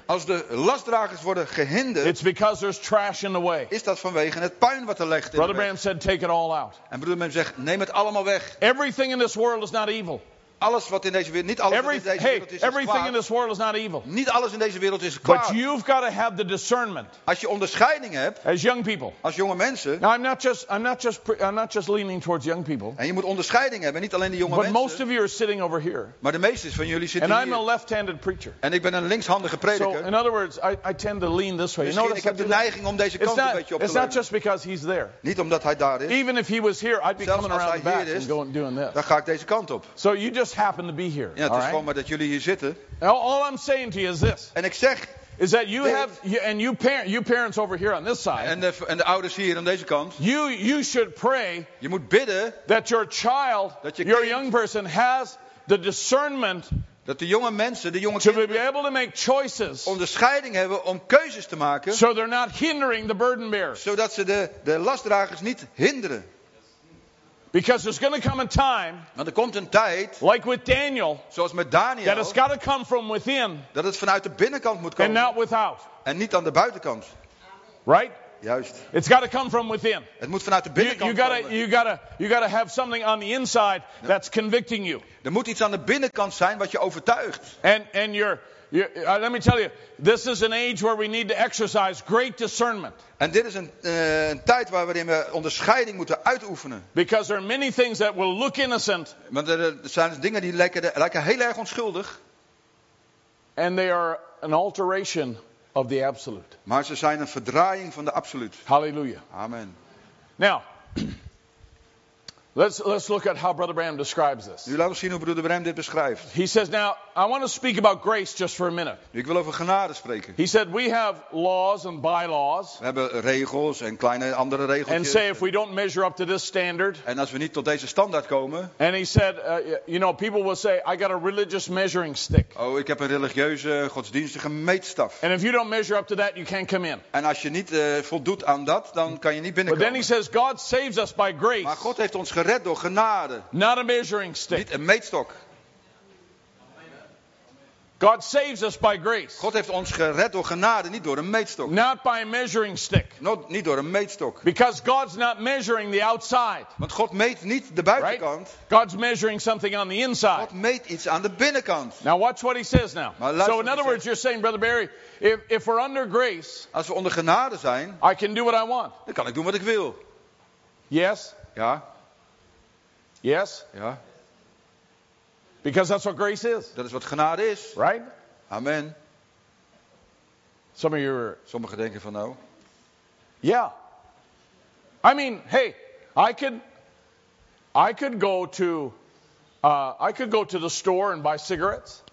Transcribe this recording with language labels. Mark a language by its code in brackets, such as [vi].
[nl] als de lastdragers worden gehinderd, [en] it's because there's trash in the way. [nl] Is dat vanwege het puin wat er ligt in [en] Brother [nl] de weg. [en] Bram said, take it all out. [nl] En Broeder Bram zegt, neem het allemaal weg. [en] Everything in this world is not evil. [nl] Alles wat in deze wereld, niet alles in deze wereld is kwaad. [en] Everything in this world is not evil. [nl] Niet alles in deze wereld is kwaad. [en] But you've got to have the discernment. [nl] Als je onderscheiding hebt. [en] As young people. [nl] Als jonge mensen. [en] Now I'm not just leaning towards young people. [nl] En je moet onderscheiding hebben, niet alleen de jonge mensen. [en] But most of you are sitting over here. [nl] Maar de meeste van jullie zitten [en] and [nl] hier. [en] And I'm a left-handed preacher. [nl] En ik ben een linkshandige prediker. [en] So in other words, I tend to lean this way. [nl] Dus ik heb de neiging om deze kant een beetje op te leunen. [en] It's not just because he's there. [nl] Niet omdat hij daar is. [en] Even if he was here, I'd be coming around the back and going doing this. [nl] Dan ga ik deze kant op. [en] So you just happen to be here. [nl] Ja, het is gewoon maar dat jullie hier zitten. [en] Now, all I'm saying to you is this. [nl] En ik zeg, [en] is that you have and you parents over here on this side. [nl] En de ouders hier aan deze kant. [en] You should pray. [nl] Je moet bidden [en] that your child, [nl] dat je [en] your [nl] kind, [en] young person has the discernment. [nl] Dat de jonge mensen, de jonge kinderen, [en] to be able to make choices, [nl] onderscheiding hebben om keuzes te maken. [en] So they're not hindering the burden bearers. [nl] Zodat ze de lastdragers niet hinderen. [en] Because there's going to come a time, [nl] want er komt een tijd, [en] like with Daniel, [nl] zoals met Daniel, [en] that it's got to come from within, [nl] dat het vanuit de binnenkant moet komen, [en] and not without, [nl] en niet aan de buitenkant, [en] right? [nl] Juist. [en] It's got to come from within. [nl] Het moet vanuit de binnenkant komen. [en] You gotta have something on the inside that's convicting you. [nl] Er moet iets aan de binnenkant zijn wat je overtuigt. [en] And you're let me tell you, this is an age where we need to exercise great discernment. [nl] En dit is een tijd waarin we onderscheiding moeten uitoefenen. [en] Because there are many things that will look innocent. [nl] Want er zijn dingen die lijken heel erg onschuldig. [en] And they are an alteration of the absolute. [nl] Maar ze zijn een verdraaiing van de absolute. Hallelujah. Amen. [en] Now, let's look at how Brother Bram describes this. [nl] Nu laten we zien hoe Broeder Bram dit beschrijft. [en] He says, now, I want to speak about grace just for a minute. [nl] Ik wil over genade spreken. [en] He said, we have laws and bylaws. [nl] We hebben regels en kleine andere regeltjes. [en] And say, if we don't measure up to this standard. [nl] En als we niet tot deze standaard komen. [en] And he said, you know, people will say, I got a religious measuring stick. [nl] Oh, ik heb een religieuze, godsdienstige meetstaf. [en] And if you don't measure up to that, you can't come in. [nl] En als je niet voldoet aan dat, dan kan je niet binnenkomen. [en] But then he says, God saves us by grace. [nl] Maar God heeft ons gered door genade. [en] Not a measuring stick. [nl] Niet een meetstok. [en] God saves us by grace. [nl] God heeft ons gered door genade, niet door een meetstok. [en] Not by a measuring stick. [nl] Niet door een meetstok. [en] Because God's not measuring the outside. [nl] Want God meet niet de buitenkant. [en] Right? God's measuring something on the inside. [nl] God meet iets aan de binnenkant. [en] Now watch what he says now. [nl] Maar luister [en] so in other words, you're saying, Brother Barry, if we're under grace, [nl] als we onder genade zijn, [en] I can do what I want. [nl] Dan kan ik doen wat ik wil. [en] Yes. [nl] Ja. [en] Yes. [nl] Ja. [en] Because that's what grace is. [nl] Dat is wat genade is. [en] Right? Amen. Some of you are... [nl] Sommigen denken van nou. [en] Yeah. I mean, hey, I could go to the store and buy cigarettes.